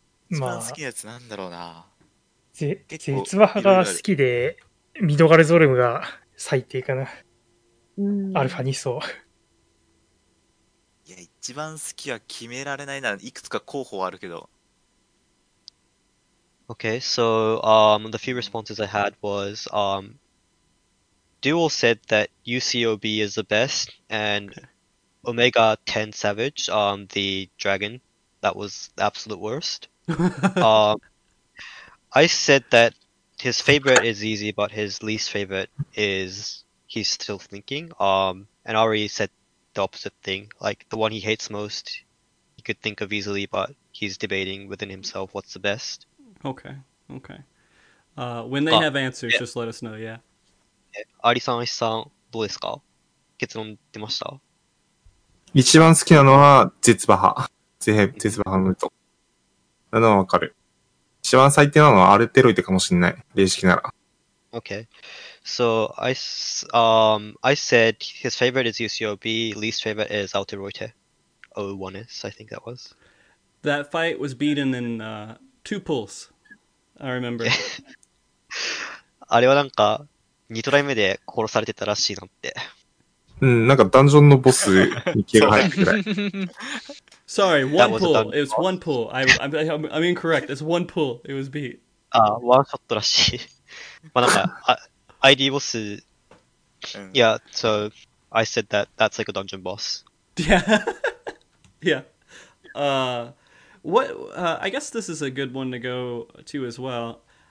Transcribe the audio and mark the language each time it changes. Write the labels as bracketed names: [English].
[Japanese] 一番好きなやつなんだろうな。まあ絶話派が好きで、ミドガルゾルムが最低かな。アルファ2層。いや、一番好きは決められないな。いくつか候補あるけど。 [English] Okay, so, the few responses I had was, Duel said that UCOB is the best, and Omega 10 Savage, the dragon, that was the absolute worst. I said that his favorite is easy, but his least favorite is he's still thinking. And Ari said the opposite thing. Like, the one he hates most, he could think of easily, but he's debating within himself what's the best. Okay, okay. When they have answers, just let us know, yeah. [Japanese] Ari-san, Ishi-san, どうですか?結論出ました? 一番好きなのは絶馬派。絶馬派のと。なのはわかる。一番最低なのはアルテロイドかもしれない。レイシキなら。 [English] Okay. So, I said his favorite is UCOB, least favorite is Alteroite. O1 is, I think that was. That fight was beaten in two pulls. I remember. [Japanese] あれはなんか、2トライ目で殺されてたらしいなって。うん、なんかダンジョンのボスに気が入ってくらい。 [English] Sorry, one pull. It was one pull. I'm incorrect. It's one pull. It was beat. Ah, one shot [Japanese] らしい。まあなんか、 [English] ID ボス、Yeah, so I said that that's like a dungeon boss. Yeah. Yeah. I guess this is a good one to go to as well.